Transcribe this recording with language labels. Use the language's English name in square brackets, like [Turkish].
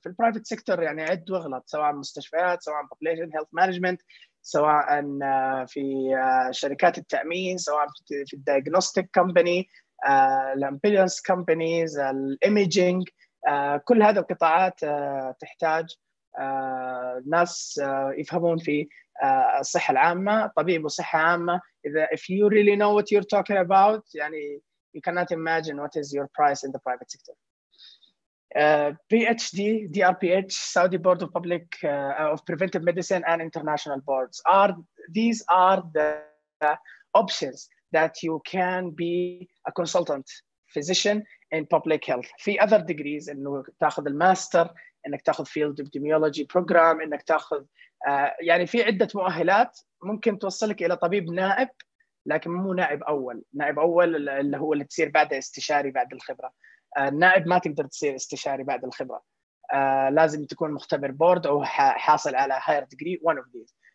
[Arabic] في private sector يعني عد وغلط، سواء مستشفيات، سواء [English] population health management، [Arabic] سواء في شركات التأمين، سواء في diagnostic company، ambulance companies، imaging، كل هذه القطاعات تحتاج ناس يفهمون في الصحة العامة، طبيب وصحة عامة. [English] إذا if you really know what you're talking about يعني you cannot imagine what is your price in the private sector. PhD, DRPH, Saudi Board of Public of Preventive Medicine and International Boards. These are the options that you can be a consultant physician in public health. [Arabic] في [English] other degrees, [Arabic] إنك تأخذ الماستر، إنك تأخذ Field Epidemiology Program، إنك تأخذ يعني في عدة مؤهلات ممكن توصلك إلى طبيب نائب، لكن مو نائب أول. نائب أول اللي هو اللي تصير بعد استشاري بعد الخبرة. النائب ما تقدر تصير استشاري بعد الخبرة، لازم تكون مختبر بورد أو حاصل على [English] higher degree one of these.